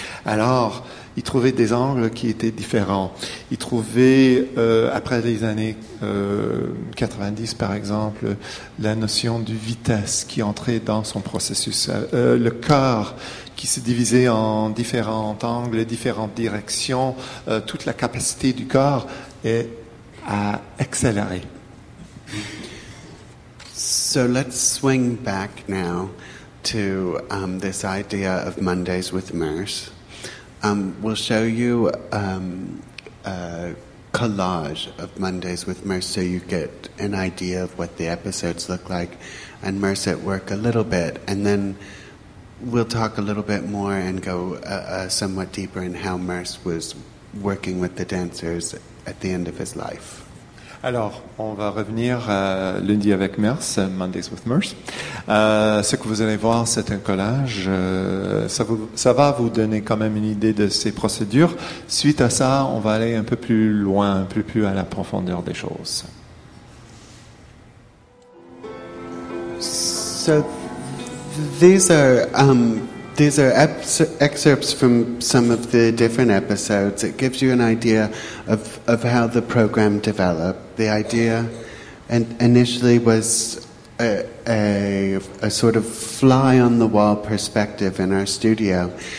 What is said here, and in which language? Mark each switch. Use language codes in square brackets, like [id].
[fr] Alors, il trouvait des angles qui étaient différents. Il trouvait, après les années 90, par exemple, la notion de vitesse qui entrait dans son processus. Le corps qui se divisait en différents angles, différentes directions, toute la capacité du corps est à accélérer. [en] So let's swing back now to this idea of Mondays with Merce. We'll show you a collage of Mondays with Merce so you get an idea of what the episodes look like and Merce at work a little bit. And then we'll talk a little bit more and go somewhat deeper in how Merce was working with the dancers at the end of his life. [fr] Alors, on va revenir lundi avec Merce, Mondays with Merce. Ce que vous allez voir, c'est un collage. Ça va vous donner quand même une idée de ces procédures. Suite à ça, on va aller un peu plus loin, un peu plus à la profondeur des choses. [en] So, these are excerpts from some of the different episodes. It gives you an idea of how the program developed. The idea initially was a sort of fly-on-the-wall perspective in our studio.